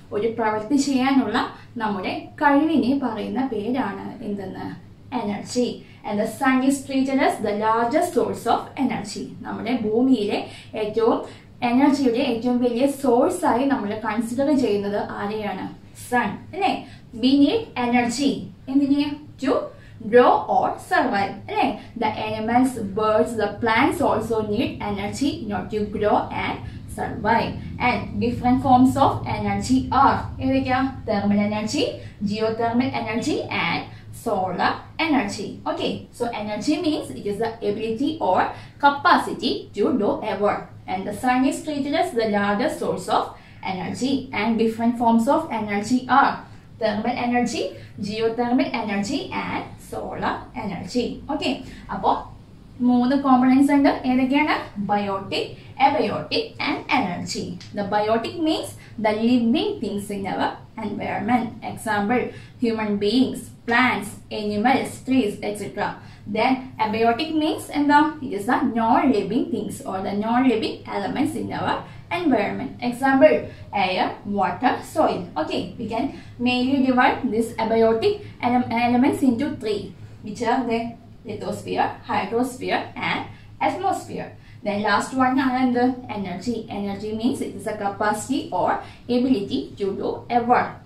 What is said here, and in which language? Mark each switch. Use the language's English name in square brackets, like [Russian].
[Malayalam] ഒരു പ്രവൃത്തി ചെയ്യാനുള്ള നമ്മുടെ കഴിവിനെ പറയുന്ന പേരാണ് എന്തെന്ന്? Energy. [English] And the sun is treated as the largest source of energy. [Malayalam] നമ്മുടെ ഭൂമിയിലെ ഏറ്റവും എനർജിയുടെ ഏറ്റവും വലിയ സോഴ്സ് ആയി നമ്മൾ കൺസിഡർ ചെയ്യുന്നത് ആരെയാണ്? [English] Sun അല്ലേ. We need energy [Malayalam] എന്തിനാ? [English] To grow or survive അല്ലേ. The animals, birds, the plants also need energy in order to grow and survive. And different forms of energy are [Malayalam] ഏതൊക്കെയാ? [English] Thermal energy, geothermal energy and solar energy. Okay, so energy means it is the ability or capacity to do a work. And the sun is treated as the largest source of energy. And different forms of energy are thermal energy, geothermal energy and solar energy. [Malayalam] Okay, അപ്പോ മൂന്ന് components ഉണ്ട്. ഏതൊക്കെയാണ്? [English] Biotic, abiotic and energy. The biotic means the living things in our environment. Example, human beings, plants, animals, trees etcetera. Then abiotic means [Malayalam] എന്താ? [English] It is the non living things or the non living elements in our environment. Example, air, water, soil. Okay, we can mainly divide this abiotic elements into three, which are the lithosphere, hydrosphere and atmosphere. Then last one are the energy. Energy means it is a capacity or ability to do a work.